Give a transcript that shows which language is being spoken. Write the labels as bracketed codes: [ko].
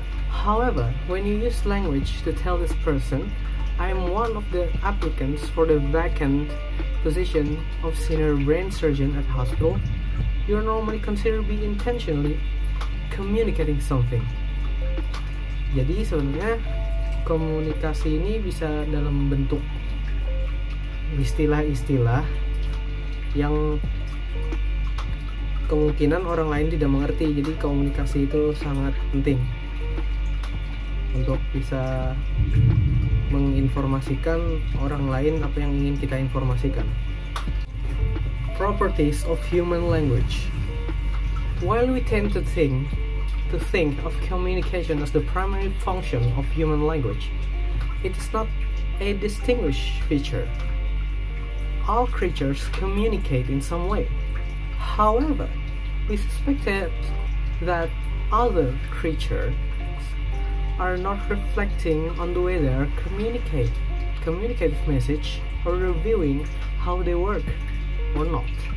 [en] However, when you use language to tell this person, I am one of the applicants for the vacant position of senior brain surgeon at hospital, you are normally considered to be intentionally communicating something. [id] Jadi sebenarnya komunikasi ini bisa dalam bentuk istilah-istilah yang kemungkinan orang lain tidak mengerti. Jadi komunikasi itu sangat penting untuk bisa menginformasikan orang lain apa yang ingin kita informasikan. [en] Properties of human language. While we tend to think of communication as the primary function of human language, it is not a distinguished feature. All creatures communicate in some way. However, we suspect that other creatures are not reflecting on the way they are communicative message or reviewing how they work or not.